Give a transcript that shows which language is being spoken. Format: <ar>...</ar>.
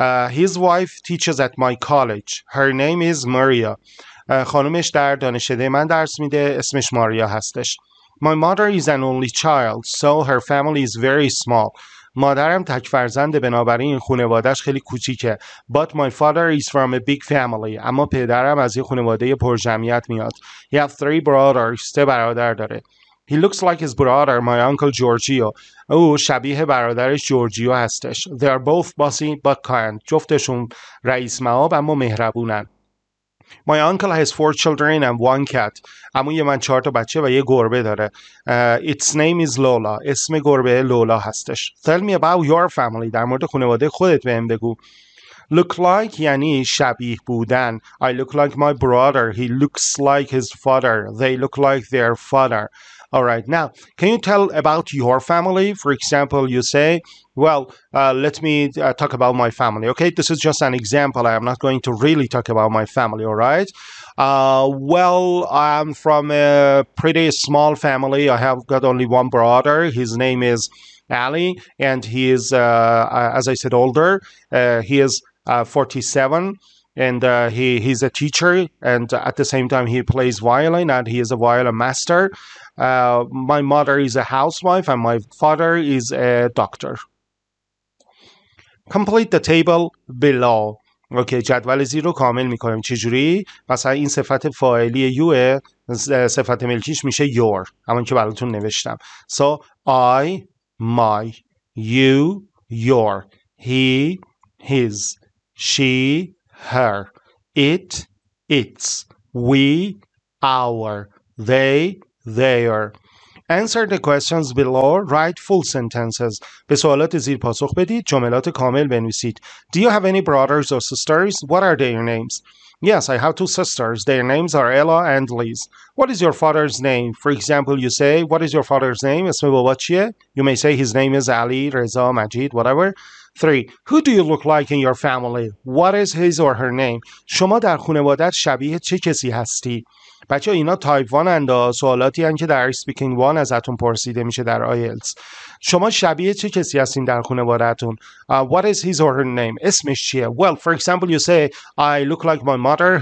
<en>His wife teaches at my college. Her name is Maria.</en> <fa>خانومش در دانشکده من درس میده. اسمش ماریا هستش.</fa> <en>My mother is an only child, so her family is very small.</en> <fa>مادرم تک فرزنده، بنابراین خانوادهش خیلی کوچیکه.</fa> <en>But my father is from a big family.</en> <fa>اما پدرم از یه خانواده پرجمعیت میاد.</fa> <en>He has 3 brothers.</en> <fa>3 برادر داره.</fa> <en>He looks like his brother, my uncle Giorgio.</en> <fa>او شبیه برادرش جورجیو هستش.</fa> <en>They are both bossy but kind.</en> <fa>جفتشون رئیس مآب اما مهربونن.</fa> <en>My uncle has 4 children and 1 cat.</en> <fa>عموی من 4 تا بچه و یه گربه داره.</fa> <en>Its name is Lola.</en> <fa>اسم گربه لولا هستش.</fa> <en>Tell me about your family.</en> <fa>در مورد خانواده خودت بهم بگو. Look like یعنی شبیه بودن.</fa> <en>I look like my brother. He looks like his father. They look like their father. Alright, now, can you tell about your family? For example, you say, well, let me talk about my family, okay? This is just an example. I am not going to really talk about my family, alright? Well, I am from a pretty small family. I have got only 1 brother. His name is Ali, and he is, as I said, older. He is 47. And he's a teacher, and at the same time he plays violin, and he is a violin master. My mother is a housewife, and my father is a doctor. Complete the table below.</en> <fa>Okay, جدول زیرو کامل میکنیم. چجوری؟ مثلا این صفت فاعلی یوه، صفت ملکیش میشه your، همون که براتون نوشتم.</fa> <en>So, I, my, you, your, he, his, she, her, it, its, we, our, they, their. Answer the questions below, write full sentences.</en> <fa>به سوالات زیر پاسخ بدید، جملات کامل بنویسید.</fa> <en>Do you have any brothers or sisters? What are their names? Yes, I have 2 sisters. Their names are Ella and Liz. What is your father's name? For example, you say, what is your father's name?</en> <fa>اسم بابا چیه؟</fa> <en>You may say his name is Ali, Reza, Majid, whatever. 3. Who do you look like in your family? What is his or her name?</en> <fa>شما در خانوادت شبیه چه کسی هستی؟ بچه اینا تایپ 1 اند سوالاتی هستند که در اسپیکینگ 1 ازتون پرسیده میشه در آیلتس. شما شبیه چه کسی هستین در خانوادتون؟</fa> <en>What is his or her name?</en> <fa>اسمش چیه؟</fa> <en>Well, for example, you say I look like my mother.</en>